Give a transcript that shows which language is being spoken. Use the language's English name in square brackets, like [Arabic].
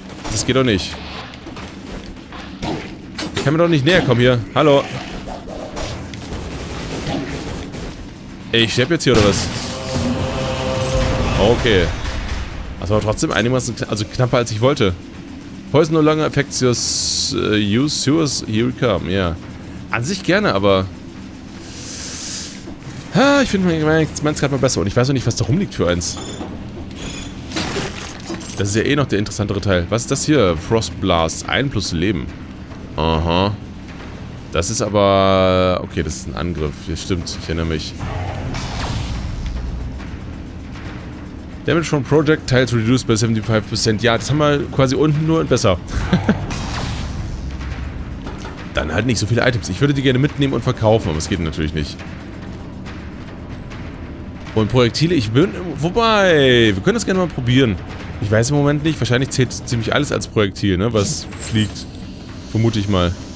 [German] Das geht doch nicht. Ich kann mir doch nicht näher kommen hier. Hallo. Ey, ich sterbe jetzt hier, oder was? Okay. Das war trotzdem einigermaßen knapper, als ich wollte. [English] Poison no longer affects your sewers. Here we come. [German] Ja. Yeah. An sich gerne, aber... ich finde meins gerade mal besser. Und ich weiß auch nicht, was da rumliegt für eins. Das ist ja eh noch der interessantere Teil. Was ist das hier? Frostblast. 1+ Leben. Aha. Das ist aber... Okay, das ist ein Angriff. Ja, stimmt, ich erinnere mich. [English] Damage from projectiles reduced by 75%. [German] Ja, das haben wir quasi unten nur und besser. Dann halt nicht so viele Items. Ich würde die gerne mitnehmen und verkaufen, aber es geht natürlich nicht. Und Projektile, ich bin... Wobei, wir können das gerne mal probieren. Ich weiß im Moment nicht. Wahrscheinlich zählt ziemlich alles als Projektil, ne? Was fliegt. Vermute ich mal.